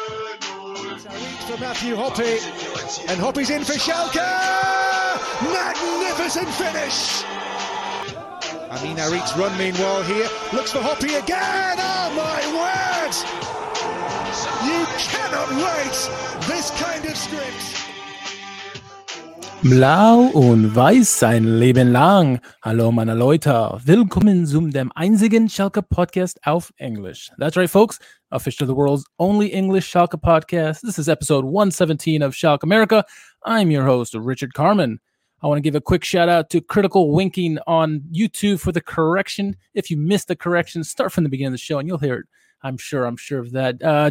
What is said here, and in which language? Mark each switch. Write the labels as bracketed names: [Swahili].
[English] To Matthew Hoppe, and Hoppe's in for Schalke. Magnificent finish. Amin Arik's run meanwhile here looks for Hoppe again. Oh my word, you cannot write this kind of script. [German] Blau und weiß sein Leben lang. Hallo meine Leute, willkommen zum dem einzigen Schalke Podcast auf Englisch. [English] That's right folks, official of the world's only English Schalke Podcast. This is episode 117 of Schalke America. I'm your host, Richard Carman. I want to give a quick shout out to Critical Winking on YouTube for the correction. If you missed the correction, start from the beginning of the show and you'll hear it. I'm sure of that.